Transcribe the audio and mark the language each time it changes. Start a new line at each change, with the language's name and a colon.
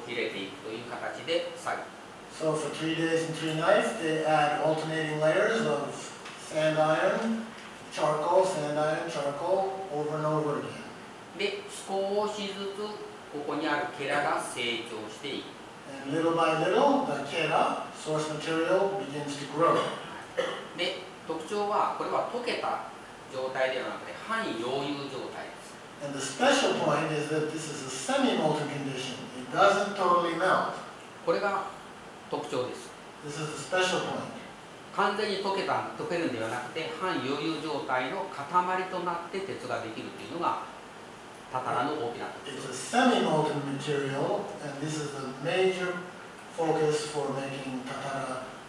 Japanese: で、まあ、カタラでは3日、2晩、70時間、まあ、70から72時間ぐらいありますけれども、こういうふうに砂鉄、木炭、砂鉄、木炭というふうに順番にこう切れていくという形で作業。
English: So for 3 days and 3 nights, they add alternating layers of sand iron, charcoal, sand iron, charcoal, over and over again.
Japanese: で、少しずつここにあるケラが成長していく。
English: And little by little, the ケラ, source material, begins to grow.
Japanese: で、特徴はこれは溶けた状態ではなくて半溶融状態です。
English: And the special point is that this is a semi-molten condition. It doesn't totally melt.
Japanese: これが特徴です。
English: This is a special point.
Japanese: 完全に溶けるんではなくて、半溶融状態の塊となって鉄ができるというのが、たたらの大きな特徴。
English: It's a semi-molten material, and this is a major focus for making tatara.